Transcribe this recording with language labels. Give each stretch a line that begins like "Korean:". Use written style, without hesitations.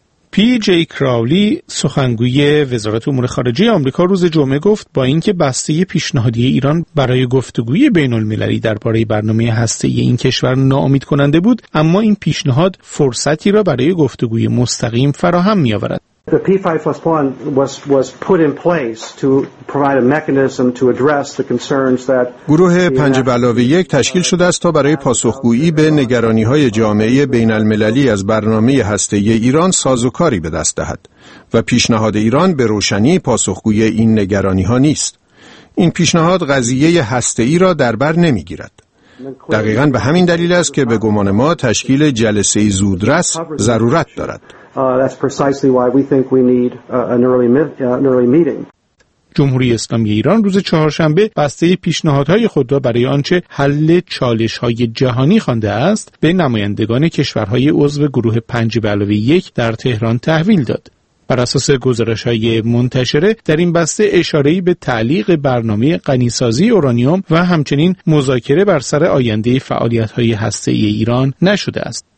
Persian: پی جی کراولی، سخنگوی وزارت امور خارجه آمریکا، روز جمعه گفت با اینکه بسته پیشنهادی ایران برای گفتگوی بین المللی درباره برنامه هسته‌ای این کشور ناامید کننده بود، اما این پیشنهاد فرصتی را برای گفتگوی مستقیم فراهم می آورد.
English: The P5+1 was put in place to provide a mechanism to address the concerns that
Persian: گروه 5 علاوه 1 تشکیل شده است تا برای پاسخگویی به نگرانی‌های جامعه بین‌المللی از برنامه هسته‌ای ایران سازوکاری به دست دهد و پیشنهاد ایران به روشنی پاسخگویی این نگرانی‌ها نیست. این پیشنهاد قضیه هسته‌ای را در بر نمی‌گیرد. دقیقاً به همین دلیل است که به گمان ما تشکیل جلسه زودرس ضرورت دارد.
English: That's precisely why we think we need an early meeting.
Persian: جمهوری اسلامی ایران روز چهارشنبه بسته پیشنهادهای خود را برای آنچه حل چالش‌های جهانی خوانده است به نمایندگان کشورهای عضو گروه 5 به علاوه 1 در تهران تحویل داد. بر اساس گزارش‌های منتشره در این بسته اشاره‌ای به تعلیق برنامه غنی‌سازی اورانیوم و همچنین مذاکره بر سر آینده فعالیت‌های هسته‌ای ایران نشده است.